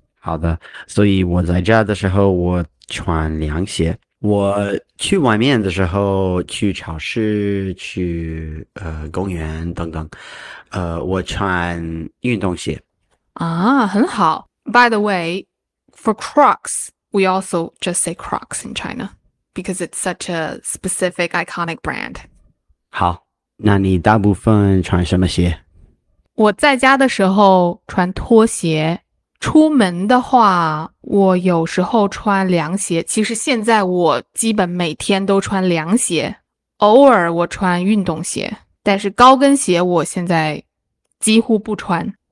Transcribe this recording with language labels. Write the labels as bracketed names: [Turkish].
[Chinese] 好的，所以我在家的时候我穿凉鞋，我去外面的时候去超市去公园等等我穿运动鞋。啊，很好。 [English] By the way, for Crocs, we also just say Crocs in China because it's such a specific iconic brand. [Chinese] 好,那你大部分穿什么鞋? 我在家的时候穿拖鞋,出门的话,我有时候穿凉鞋,其实现在我基本每天都穿凉鞋,偶尔我穿运动鞋,但是高跟鞋我现在几乎不穿。